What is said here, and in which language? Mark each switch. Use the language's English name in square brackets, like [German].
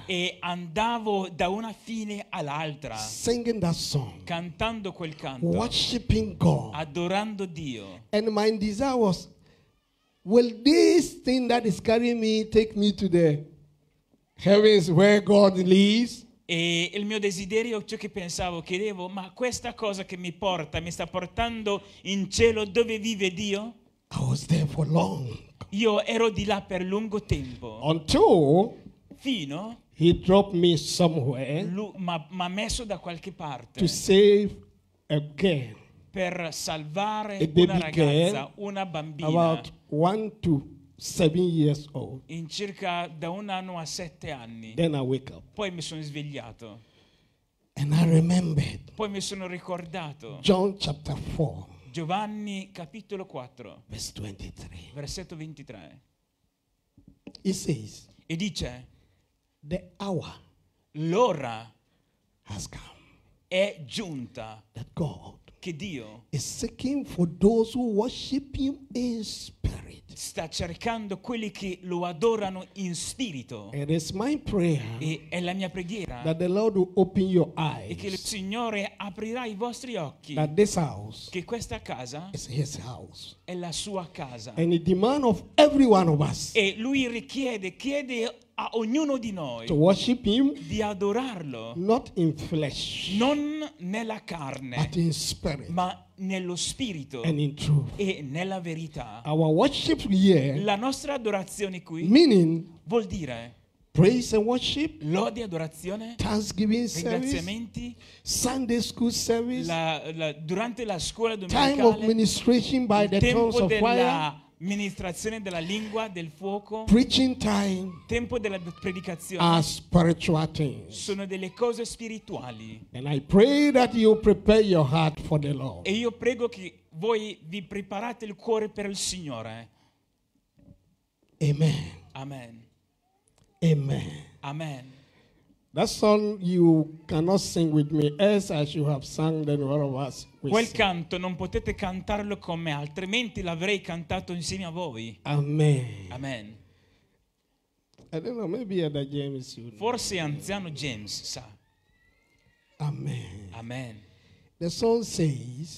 [Italian] E andavo da una fine all'altra. [English] Singing that song. [Italian] Cantando quel canto. [English] Worshiping God. [Italian] Adorando Dio. [English] And my desire was, will this thing that is carrying me take me to the heavens where God lives? [Italian] E il mio desiderio, ciò che pensavo, chiedevo, ma questa cosa che mi porta, mi sta portando in cielo dove vive Dio? [English] I was there for long. [Italian] Io ero di là per lungo tempo. [English] Until [Italian] fino [English] he dropped me somewhere. [Italian] M'ha messo da qualche parte. [English] To save a girl. [Italian] Per salvare una ragazza, [English] girl, [Italian] una bambina. [English] About 1 to 7 years old. [Italian] In circa da un anno a 7 anni. [English] Then I wake up. [Italian] Poi mi sono svegliato. [English] And I remembered. [Italian] Poi mi sono ricordato. [English] John chapter 4. [Italian] Giovanni capitolo 4. [English] Verse 23. [Italian] Versetto 23. [English] It says. [Italian] E dice. [English] The hour. [Italian] L'ora. [English] Has come. [Italian] È giunta. [English] That God. [Italian] Che Dio [English] is seeking for those who worship him in spirit. [Italian] Sta cercando quelli che lo adorano in spirito. [English] It is my prayer. [Italian] E è la mia preghiera. [English] That the Lord will open your eyes. [Italian] E che il Signore aprirà i vostri occhi. [English] That this house. [Italian] Che questa casa. [English] Is his house. [Italian] È la sua casa. [English] And he demands of every one of us. [Italian] E lui chiede a ognuno di noi [English] to worship him, [Italian] di adorarlo, [English] not in flesh, [Italian] non nella carne, [English] but in spirit, [Italian] ma nello spirito, [English] and in truth, [Italian] e nella verità. [English] Our worship here, [Italian] la nostra adorazione qui, [English] meaning, [Italian] vuol dire [English] praise and worship, [Italian] lode e adorazione, [English] thanksgiving service, [Italian] ringraziamenti, [English] Sunday school service, [Italian] durante la scuola [English] domenicale, time of ministration by the tongues of fire. [Italian] Ministrazione della lingua, del fuoco. [English] Preaching time. [Italian] Tempo della predicazione. [English] Are spiritual things. [Italian] Sono delle cose spirituali. [English] And I pray that you prepare your heart for the Lord. [Italian] E io prego che voi vi preparate il cuore per il Signore. [English] Amen. [Italian] Amen. [English] Amen. [Italian] Amen. [English] That song you cannot sing with me, as you have sung, then all of us will [Italian] quel [English] sing. [Italian] Canto non potete cantarlo con me, altrimenti l'avrei cantato insieme a voi. [English] Amen. [Italian] Amen. [English] I don't know, maybe other James, you [Italian] forse [English] know. [Italian] Anziano James sa. [English] Amen. [Italian] Amen. [English] The song says.